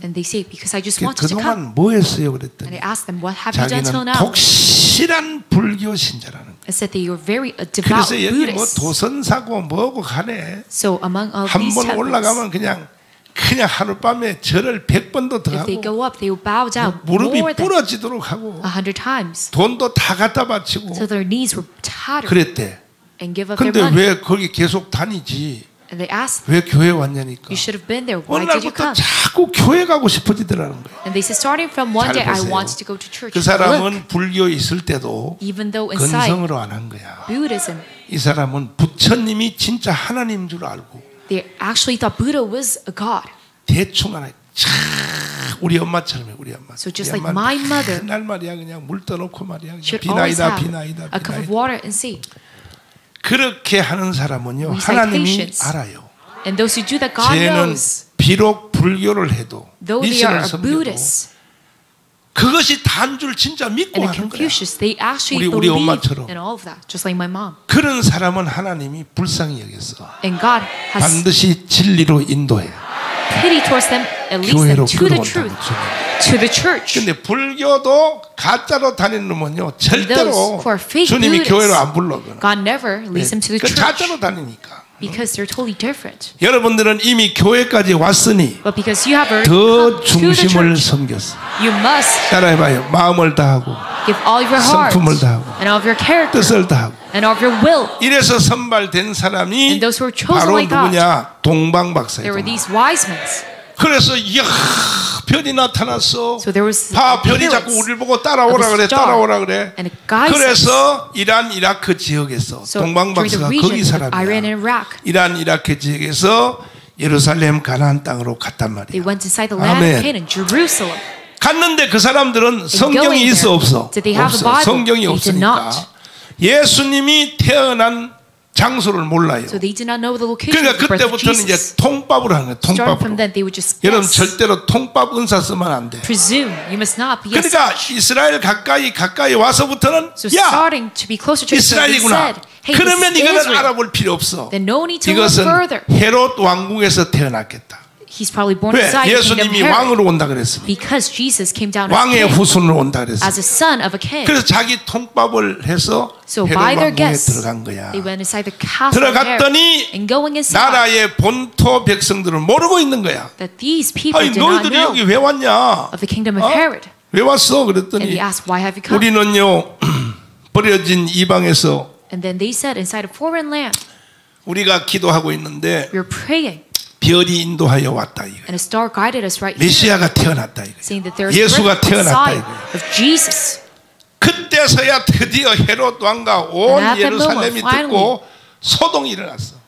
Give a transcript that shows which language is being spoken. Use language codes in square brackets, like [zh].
[en] And they say, because I just wanted to come. [ko] 그동안 뭐 했어요? 그랬더니. [en] And I ask them, what have you done till now? [ko] 자기는 독실한 불교 신자라는. [en] I said that you're very a devout Buddhist. [ko] 그래서 여기 뭐 도선 사고 뭐고 가네. [en] So among all these, [ko] 한 번 올라가면 그냥 하룻밤에 절을 백 번도 더 하고. [en] If they go up, they will bow down. [ko] 무릎이 부러지도록 하고. [en] 100 times. [ko] 돈도 다 갖다 바치고. [en] So their knees were tattered. [ko] 그랬대. [en] And give up their [ko] 근데 왜 거기 계속 다니지? [en] And they asked. [ko] 왜 교회 왔냐니까. [en] You should have been there. Why did you come? [ko] 오늘부터 자꾸 교회 가고 싶어지더라는 거야. [en] And they said, starting from one day, I wanted to go to church. [ko] 그 사람은 불교 있을 때도 [en] even though inside, [ko] 건성으로 안 한 거야. [en] Buddhism. [ko] 이 사람은 부처님이 진짜 하나님 줄 알고. [en] They actually thought Buddha was a god. [ko] 대충 안 해. 우리 엄마처럼 해, 우리 엄마. [en] So just like my mother. [ko] 날 말이야 그냥 물 떠놓고 말이야. 비나이다, 비나이다, 비나이다. [en] A cup of water and see. [ko] 그렇게 하는 사람은요 [en] like [ko] 하나님이 알아요. 쟤는 비록 불교를 해도 미션을 섬기고 그것이 다인 줄 진짜 믿고 하는 거야. 우리 엄마처럼 [en] and all of that, just like my mom. [ko] 그런 사람은 하나님이 불쌍히 여겼어. 반드시 진리로 인도해. [en] Pity towards them, at least them, to the truth, to the church. [ko] 근데 불교도 가짜로 다니는 놈은요 절대로 주님이 교회로 안 불러. [en] God never leads them to the church. [ko] 가짜로 다니니까. [en] Because they're totally different. [ko] 여러분들은 이미 교회까지 왔으니 [en] but because you have already come to the church, [ko] 더 중심을 섬겼어. [en] You must [ko] 따라해봐요. 마음을 다하고 [en] give all of your heart, [ko] 성품을 다하고 [en] and all of your character, [ko] 뜻을 다하고 [en] and all of your will. [ko] 이래서 선발된 사람이 [en] and those who were chosen [ko] 바로 [en] by God, [ko] 누구냐? 동방박사예요. [en] There were these wise men. [ko] 그래서 이야 별이 나타났어. [en] So there was [ko] 봐 별이 자꾸 우리를 보고 따라오라 그래 따라오라 그래. [en] And it guides [ko] 그래서 이란 이라크 지역에서 [en] so [ko] 동방박사가 거기 살았다. 이란 이라크 지역에서 예루살렘 가나안 땅으로 갔단 말이야. [en] They went inside the land of Canaan, Jerusalem. [ko] 갔는데 그 사람들은 성경이 있어 없어? 없어. 성경이 없으니까 예수님이 태어난 장소를 몰라요. [en] So they did not know the location. [ko] 그러니까 그때부터는 이제 통밥을 하는 거예요. 통밥으로. [en] Then, they would just guess. [ko] 여러분 절대로 통밥 은사 쓰면 안 돼. [en] Presume you must not be. [ko] 그러니까 이스라엘 가까이 와서부터는 [en] so [ko] 야 [en] starting to be closer to [ko] 이스라엘이구나. [en] Said, hey, [ko] 그러면 이거는 알아볼 필요 없어. [en] Then no need to [ko] 이것은 [en] look further. [ko] 헤롯 왕궁에서 태어났겠다. [en] He's probably born inside the kingdom. [ko] 예수님이 왕으로 온다 그랬어요. [en] Because Jesus came down [ko] 왕의 후손으로 온다 그랬어요. [en] As a son of a king. [ko] 그래서 자기 통밥을 해서 [en] so by their guests, [ko] 들어간 거야. [en] They went inside the castle. [ko] 들어갔더니 [en] and going inside, [ko] 나라의 본토 백성들은 모르고 있는 거야. [en] That these people [ko] 아니, [en] did not know. [ko] 아니 너희들이 여기 왜 왔냐? [en] Of the kingdom of Herod. [ko] 왜 왔어? 그랬더니 [en] and he asked, why have you come? [ko] 우리는요 버려진 이방에서 [en] and then they said inside a foreign land. [ko] 우리가 기도하고 있는데 [en] we're praying. [ko] 별이 인도하여 왔다 이거. [en] And a star guided us right here. [ko] 메시아가 태어났다 이거. [en] Saying that there is a [ko] 예수가 태어났다 이거. [en] Of Jesus. [ko] 그때서야 드디어 헤롯 왕과 온 예루살렘이 듣고 소동이 일어났어.